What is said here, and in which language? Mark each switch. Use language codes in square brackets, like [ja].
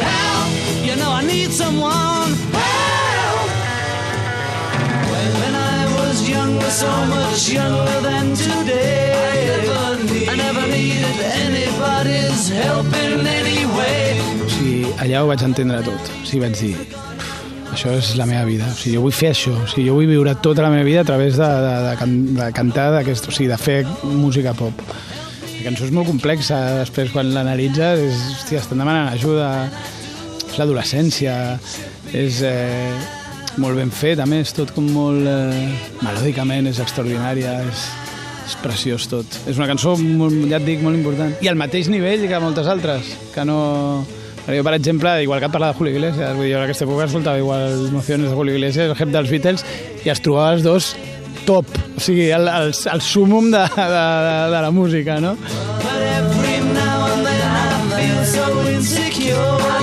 [en] Help, you know I need someone. So much younger than today, I never needed anybody's help in any way. [ca] O sigui, allà ho vaig entendre tot. O sigui, vaig dir, això és la meva vida. O sigui, jo vull fer això. O sigui, jo vull viure tota la meva vida a través de cantar, d'aquest, o sigui, de fer música pop. La cançó és molt complexa. Després, quan l'analitzes, és, hòstia, estan demanant ajuda. És l'adolescència. És... molt ben fet, a més, tot com molt melòdicament, és extraordinària, és preciós tot. És una cançó, molt, ja et dic, molt important. I al mateix nivell que moltes altres, que no... Jo, per exemple, igual que et parlava de Julio Iglesias, vull dir, jo en aquesta època escoltava igual Emociones de Julio Iglesias, el Help dels Beatles, i es trobava els dos top, o sigui, el súmum de la música, no? [en] But every now and then I feel so insecure.